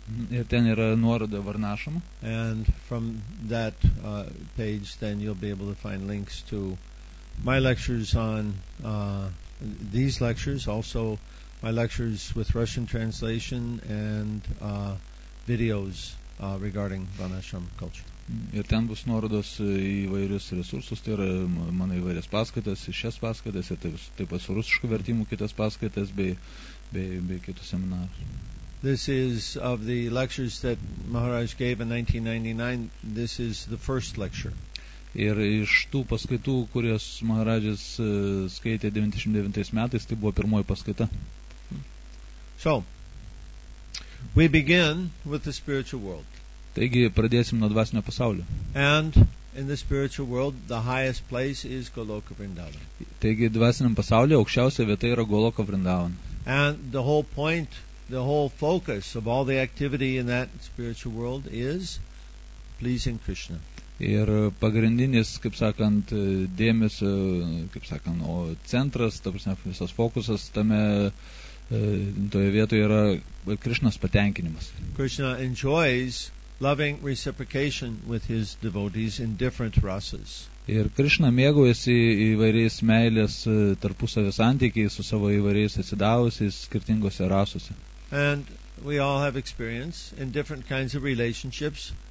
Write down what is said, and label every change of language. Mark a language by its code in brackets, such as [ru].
[lt] Ir ten yra nuoroda Varnashram. [en] And from that page then you'll be able to find links to my lectures on these lectures, also my lectures with Russian translation and videos regarding Varnashram culture. [lt] Ir ten bus nuorodos į įvairius resursus, tai yra mano įvairias paskaitas, į šias paskaitas ir taip pat su rusiškų vertimų kitas paskaitas bei kitus seminarus. [en] This is of the lectures that Maharaj gave in 1999. This is the first lecture. [lt] Ir iš tų paskaitų, kurias Maharajas skaitė 99 metais, tai buvo pirmoji paskaita. [en] So, we begin with the spiritual world. [lt] Taigi pradėsim nuo dvasinio pasaulio. [en] And in the spiritual world, the highest place is Goloka Vrindavan. [lt] Taigi dvasiniam pasaulyje aukščiausia vieta yra Goloka Vrindavan. [en] And the whole point, the whole focus of all the activity in that spiritual world is pleasing Krishna. [lt] Ir pagrindinis, kaip sakant, dėmesio, kaip sakant, o centras, ta prasme, visas fokusas tame toje vietoje yra Krishnas patenkinimas. [en] Krishna enjoys loving reciprocation with his devotees in different rasas. [lt] Ir Krishna mėgaujasi įvairiais meilės tarpusavio santykiais su savo įvairiais atsidavusiais skirtingose rasose. [en] And we all have experience in different kinds of relationships.